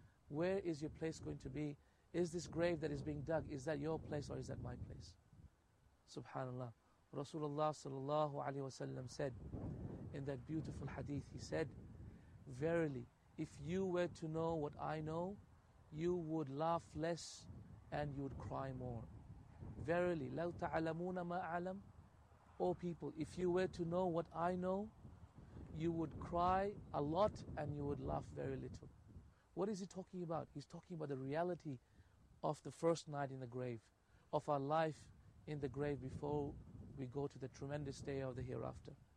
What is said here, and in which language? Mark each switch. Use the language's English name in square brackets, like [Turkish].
[English] Where is your place going to be? Is this grave that is being dug, is that your place or is that my place? SubhanAllah. Rasulullah sallallahu alayhi wa sallam said in that beautiful hadith, he said, "Verily, if you were to know what I know, you would laugh less and you would cry more. Verily, [Arabic] لَوْ تَعَلَمُونَ مَا أَعْلَمُ. [English] O people, if you were to know what I know, you would cry a lot and you would laugh very little." What is he talking about? He's talking about the reality of the first night in the grave, of our life in the grave before we go to the tremendous day of the hereafter.